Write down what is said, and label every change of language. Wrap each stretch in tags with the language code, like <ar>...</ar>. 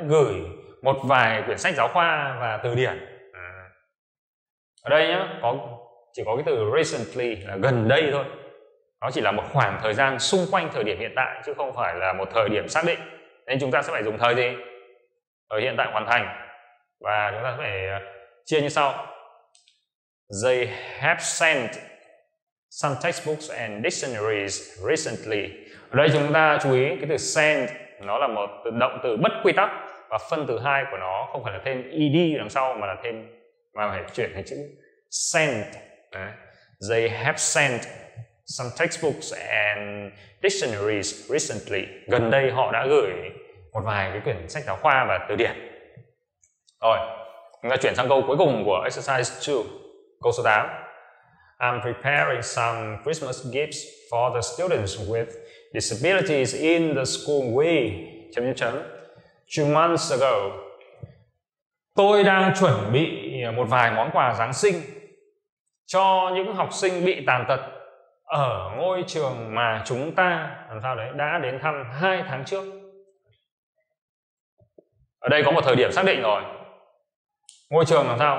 <vi>Gửi một vài quyển sách giáo khoa và từ điển. Ở đây nhá, chỉ có cái từ recently là gần đây thôi. Nó chỉ là một khoảng thời gian xung quanh thời điểm hiện tại chứ không phải là một thời điểm xác định. Nên chúng ta sẽ phải dùng thời gì? Ở hiện tại hoàn thành. Và chúng ta sẽ phải chia như sau.</vi> <en>They have sent some textbooks and dictionaries recently.</en> <vi>Ở đây chúng ta chú ý cái từ send, nó là một động từ bất quy tắc và phân từ hai của nó không phải là thêm ed đằng sau mà là thêm, mà phải chuyển thành chữ sent.</vi> <en>They have sent some textbooks and dictionaries recently.</en> <vi>Gần đây họ đã gửi một vài cái quyển sách giáo khoa và từ điển. Rồi, chúng ta chuyển sang câu cuối cùng của exercise 2, câu số 8.</vi> <en>I'm preparing some Christmas gifts for the students with disabilities in the school we... Two months ago.</en> <vi>Tôi đang chuẩn bị một vài món quà Giáng sinh cho những học sinh bị tàn tật ở ngôi trường mà chúng ta làm sao đấy đã đến thăm 2 tháng trước. Ở đây có một thời điểm xác định rồi. Ngôi trường làm sao?</vi>